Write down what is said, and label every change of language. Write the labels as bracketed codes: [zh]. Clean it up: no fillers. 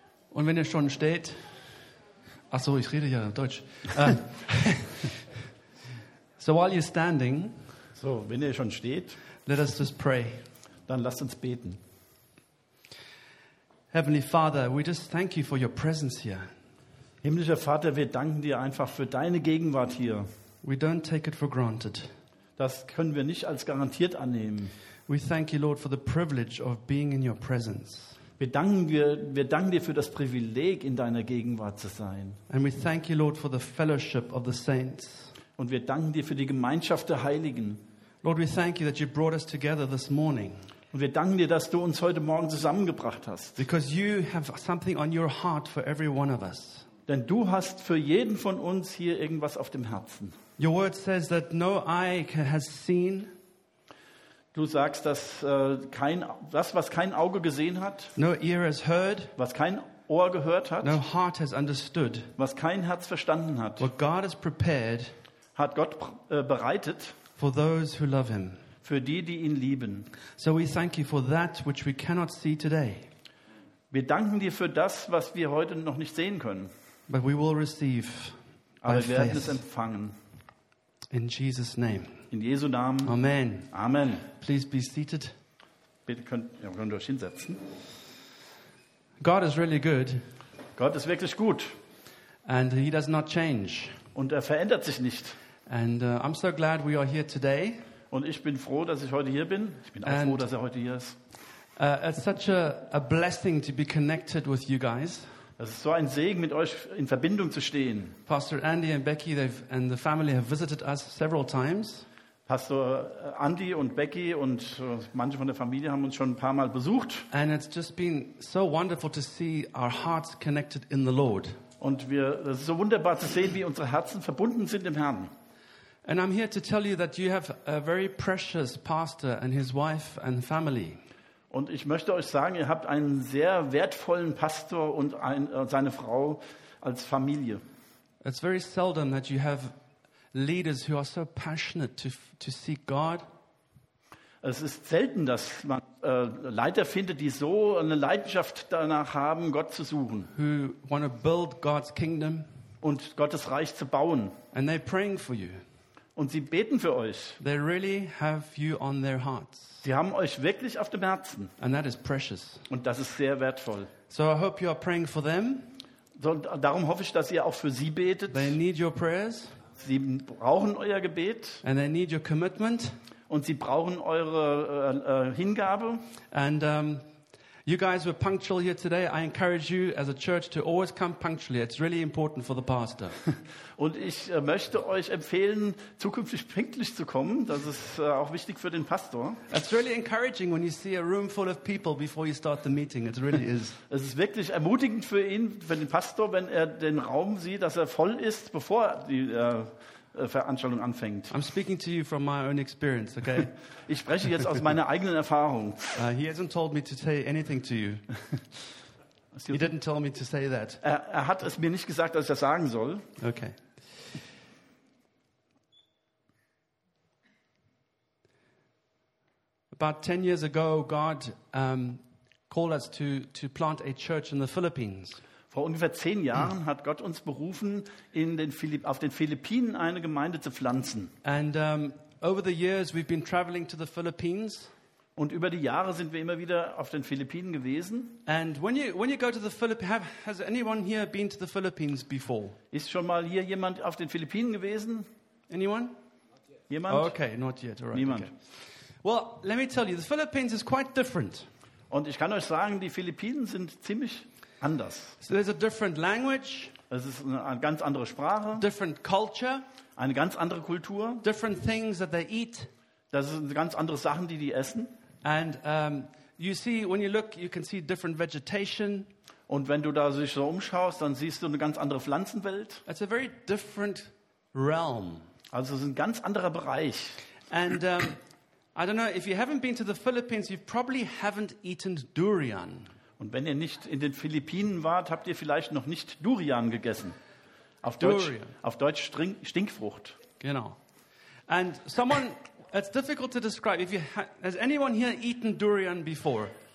[de] Und wenn ihr schon steht, ach so, ich rede ja Deutsch. [en] So while you're standing, [de] so wenn ihr schon steht, [en] let us just pray. [de] Dann lasst uns beten. [en] Heavenly Father, we just thank you for your presence here. [de] Himmlischer Vater, wir danken dir einfach für deine Gegenwart hier. [en] We don't take it for granted. [de] Das können wir nicht als garantiert annehmen. [en] We thank you, Lord, for the privilege of being in your presence. [de] Wir danken dir für das Privileg, in deiner Gegenwart zu sein. [en] And we thank you, Lord, for the fellowship of the saints. [de] Und wir danken dir für die Gemeinschaft der Heiligen. [en] Lord, we thank you that you brought us together this morning. [de] Und wir danken dir, dass du uns heute Morgen zusammengebracht hast. [en] Because you have something on your heart for every one of us. [de] Denn du hast für jeden von uns hier irgendwas auf dem Herzen. [en] Your word says that no eye has seen. [de] Du sagst, dass was kein Auge gesehen hat, [en] no ear has heard, [de] was kein Ohr gehört hat, [en] no heart has understood, [de] was kein Herz verstanden hat, [en] what God has prepared, [de] hat Gott bereitet [en] for those who love him, [de] für die, die ihn lieben. [en] So we thank you for that which we cannot see today. [de] Wir danken dir für das, was wir heute noch nicht sehen können. [en] But we will receive by faith. [de] Aber wir werden es empfangen. [en] In Jesus' name. [de] In Jesu Namen. [en] Amen. [de] Amen. [en] Please be seated. [de] Bitte könnt ihr euch hinsetzen. [en] God is really good. [de] Gott ist wirklich gut. [en] And he does not change. [de] Und er verändert sich nicht. [en] And I'm so glad we are here today. [de] Und ich bin froh, dass ich heute hier bin. Ich bin auch froh, dass er heute hier ist. [en] It's such a blessing to be connected with you guys. [de] Es ist so ein Segen, mit euch in Verbindung zu stehen. [en] Pastor Andy and Becky and the family have visited us several times. [de] Pastor Andy und Becky und manche von der Familie haben uns schon ein paar Mal besucht. [en] And it's just been so wonderful to see our hearts connected in the Lord. [de] Und es ist so wunderbar zu sehen, wie unsere Herzen verbunden sind im Herrn. [en] And I'm here to tell you that you have a very precious pastor and his wife and family. [de] Und ich möchte euch sagen, ihr habt einen sehr wertvollen Pastor und seine Frau als Familie. [en] It's very seldom that you have leaders who are so passionate to seek God. [de] Es ist selten, dass man Leiter findet, die so eine Leidenschaft danach haben, Gott zu suchen. [en] Who want to build God's kingdom [de] und Gottes Reich zu bauen. [en] And they're praying for you. [de] Und sie beten für euch. [en] They really have you on their hearts. [de] Sie haben euch wirklich auf dem Herzen. [en] And that is precious. [de] Und das ist sehr wertvoll. [en] So I hope you are praying for them. [de] So, darum hoffe ich, dass ihr auch für sie betet. [en] They need your prayers. [de] Sie brauchen euer Gebet. [en] And they need your commitment. [de] Und sie brauchen eure Hingabe. [en] And you guys were punctual here today. I encourage you as a church to always come punctually. It's really important for the pastor. [de] Und ich möchte euch empfehlen, zukünftig pünktlich zu kommen. Das ist auch wichtig für den Pastor. [en] It's really encouraging when you see a room full of people before you start the meeting. It really is. [de] Es ist wirklich ermutigend für ihn, für den Pastor, wenn er den Raum sieht, dass er voll ist, bevor die Veranstaltung anfängt. [en] I'm speaking to you from my own experience, okay? [de] Ich spreche jetzt aus meiner eigenen Erfahrung. [en] He hasn't told me to say anything to you. He didn't tell me to say that. [de] Er hat es mir nicht gesagt, dass ich das sagen soll. [en] Okay. About 10 years ago, God called us to plant a church in the Philippines. [de] Vor ungefähr 10 Jahren hat Gott uns berufen, auf den Philippinen eine Gemeinde zu pflanzen. [en] And over the years we've been traveling to the Philippines. [de] Und über die Jahre sind wir immer wieder auf den Philippinen gewesen. [en] And when you go to the Philippines, has anyone here been to the Philippines before? [de] Ist schon mal hier jemand auf den Philippinen gewesen? [en] Anyone? Not yet. [de] Jemand? [en] Oh, okay, not yet. All right. [de] Niemand. [en] Okay. Well, let me tell you, the Philippines is quite different. [de] Und ich kann euch sagen, die Philippinen sind ziemlich anders. [en] So there's a different language. [de] Es ist eine ganz andere Sprache. [en] Different culture. [de] Eine ganz andere Kultur. [en] Different things that they eat. [de] Das sind ganz andere Sachen, die essen. [en] And you see, when you look, you can see different vegetation. [de] Und wenn du da sich so umschaust, dann siehst du eine ganz andere Pflanzenwelt. [en] It's a very different realm. [de] Also es ist ein ganz anderer Bereich. [en] And I don't know if you haven't been to the Philippines, you probably haven't eaten durian. [de] Und wenn ihr nicht in den Philippinen wart, habt ihr vielleicht noch nicht Durian gegessen. Auf Deutsch Stinkfrucht. Genau. [en] And someone, it's difficult to describe. If you has anyone here eaten durian before?